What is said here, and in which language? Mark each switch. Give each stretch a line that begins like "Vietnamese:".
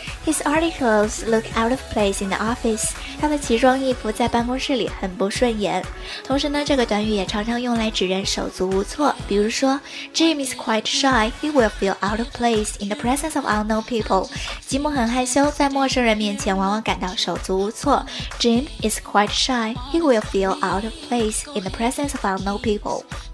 English: His articles look out of place in the office.
Chinese: 他的奇装异服在办公室里很不顺眼。同时呢，这个短语也常常用来指人手足无措。比如说
English: ,Jim is quite shy. He will feel out of place in the presence of unknown people.
Chinese: 吉姆很害羞，在陌生人面前往往感到手足无措。
English: Jim is quite shy. He will feel out of place in the presence of unknown people.